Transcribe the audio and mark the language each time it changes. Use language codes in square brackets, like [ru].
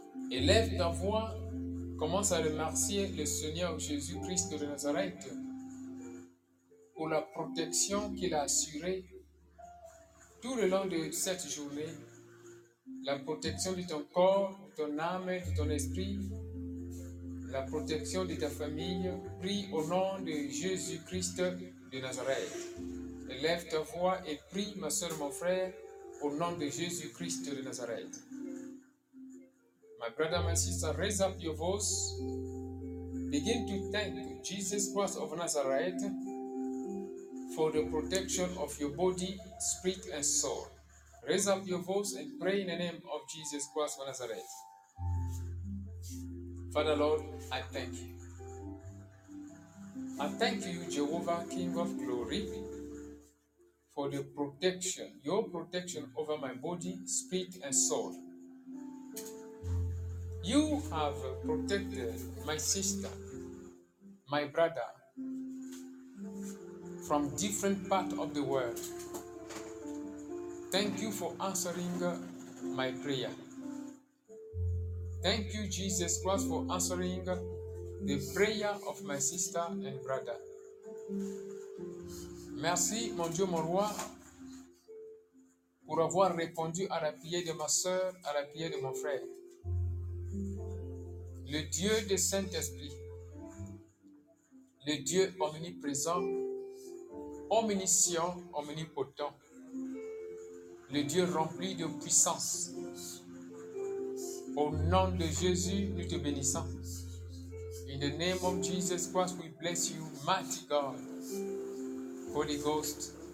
[fr] Élève ta voix, commence à remercier le Seigneur Jésus-Christ de Nazareth pour la protection qu'il a assurée tout le long de cette journée, la protection de ton corps, de ton âme, de ton esprit, la protection de ta famille, prie au nom de Jésus-Christ de Nazareth. Élève ta voix et prie, ma soeur, mon frère, au nom de Jésus-Christ de Nazareth. [en] My brother, my sister, raise up your voice. Begin to thank Jesus Christ of Nazareth for the protection of your body, spirit, and soul. Raise up your voice and pray in the name of Jesus Christ of Nazareth. Father Lord, I thank you. I thank you, Jehovah, King of Glory, for the protection, your protection over my body, spirit, and soul. You have protected my sister, my brother, from different parts of the world. Thank you for answering my prayer. Thank you, Jesus Christ, for answering the prayer of my sister and brother. [fr] Merci, mon Dieu, mon roi, pour avoir répondu à la prière de ma sœur, à la prière de mon frère. Le Dieu du Saint-Esprit, le Dieu omniprésent, omniscient, omnipotent, le Dieu rempli de puissance. Au nom de Jésus, nous te bénissons. [en] In the name of Jesus Christ, we bless you, mighty God, Holy Ghost.